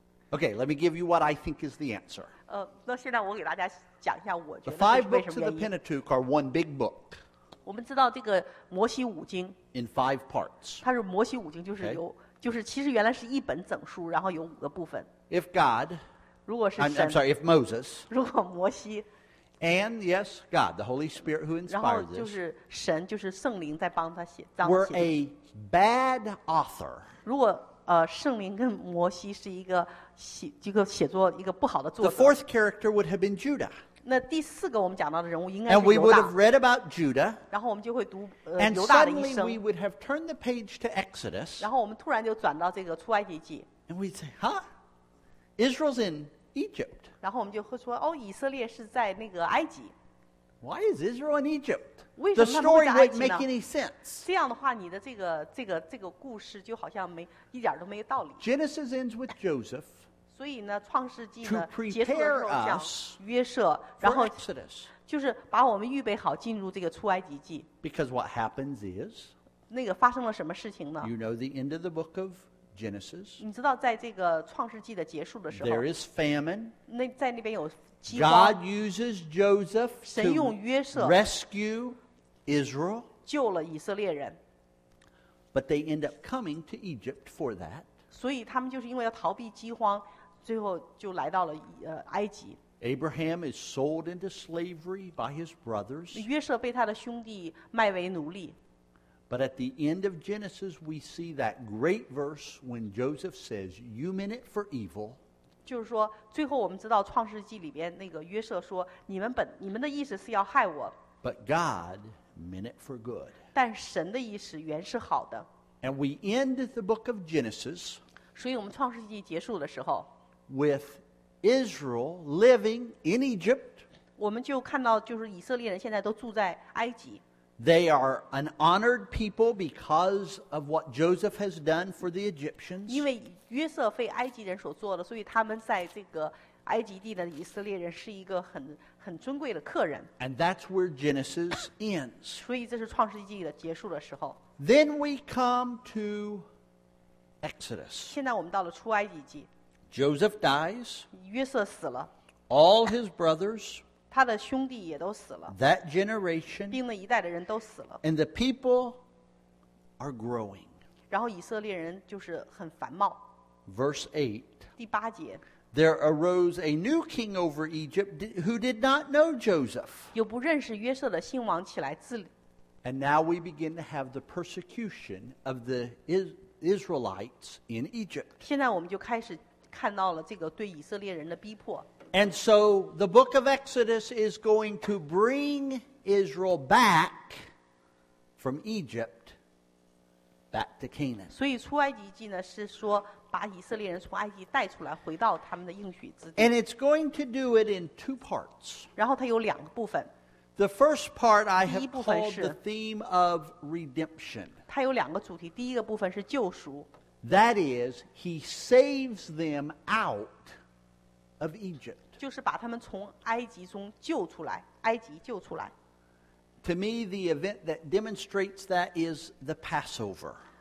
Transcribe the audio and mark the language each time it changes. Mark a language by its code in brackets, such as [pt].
[en] Okay, let me give you what I think is the answer. [zh] 那现在我给大家讲一下，我觉得是为什么原因。 [en] The five books of the Pentateuch are one big book. [zh] 我们知道这个摩西五经。 [en] In five parts. [zh] 它是摩西五经，就是由、okay. 就是其实原来是一本整书，然后有五个部分。 [en] If God, [zh] 如果是神 [en] I'm sorry, if Moses, [zh] 如果摩西。 [en] And yes, God, the Holy Spirit who inspired this. [zh] 就是神，就是圣灵在帮他写。 [en] Were a bad author. [zh] 如果圣灵跟摩西是一个写作一个不好的作者。 [en] The fourth character would have been Judah. [zh] 那第四个我们讲到的人物应该是犹大。 [en] And we would have read about Judah. [zh] 然后我们就会读犹大的一生。 [en] And suddenly we would have turned the page to Exodus. [zh] 然后我们突然就转到这个出埃及记。 [en] And we'd say, huh? Israel's in. Egypt. [zh] 然后我们就会说，哦，以色列是在那个埃及。 [en] Why is Israel in Egypt? [zh] 为什么他们在埃及呢？ [en] The story wouldn't make any sense. [zh] 这样的话，你的这个故事就好像没一点都没有道理。 [en] Genesis ends with Joseph. [zh] 所以呢，创世纪呢结束的时候讲约瑟，然后就是把我们预备好进入这个出埃及记。 [en] Because what happens is, [zh] 那个发生了什么事情呢？ [en] You know the end of the book of. Genesis. [zh] 你知道在这个创世纪的结束的时候 [en] There is famine. [zh] 那在那边有饥荒 [en] God uses Joseph to [zh] 神用约瑟 [en] rescue Israel. [zh] 救了以色列人 [en] But they end up coming to Egypt for that. [zh] 所以他们就是因为要逃避饥荒最后就来到了埃及 [en] Abraham is sold into slavery by his brothers. [zh] 约瑟被他的兄弟卖为奴隶 [en] But at the end of Genesis, we see that great verse when Joseph says, "You meant it for evil." [zh] 就是说，最后我们知道《创世纪》里边那个约瑟说，你们的意思是要害我。 [en] But God meant it for good. [zh] 但神的意思原是好的。 [en] And we end the book of Genesis. [zh] 所以我们《创世纪》结束的时候 [en] ，with Israel living in Egypt. [zh] 我们就看到，就是以色列人现在都住在埃及。 [en] They are an honored people because of what Joseph has done for the Egyptians. [zh] 因为约瑟为埃及人所做的，所以他们在这个埃及地的以色列人是一个很尊贵的客人。 [en] And that's where Genesis ends. [zh] 所以这是创世纪的结束的时候。 [en] Then we come to Exodus. [zh] 现在我们到了出埃及记。 [en] Joseph dies. [zh] 约瑟死了。 [en] All his brothers. [zh] 他的兄弟也都死了。 [en] That generation, [zh] 并那一代的人都死了。 [en] And the people are growing. [zh] 然后以色列人就是很繁茂。 [en] Verse 8. [zh] 第八节。 [en] There arose a new king over Egypt who did not know Joseph. [zh] 又不认识约瑟的新王起来治理。 [en] And now we begin to have the persecution of the Israelites in Egypt. [zh] 现在我们就开始看到了这个对以色列人的逼迫。 [en] And so the book of Exodus is going to bring Israel back from Egypt back to Canaan. [zh] 所以出埃及记呢是说把以色列人从埃及带出来回到他们的应许之地。 [en] And it's going to do it in two parts. [zh] 然后它有两个部分。 [en] The first part I have called the theme of redemption. [zh] 它有两个主题，第一个部分是救赎。 [en] That is, he saves them out. Of Egypt. [zh] 就是把他们从埃及中救出来，埃及救出来。 [en] To me, the event that demonstrates that is the Passover.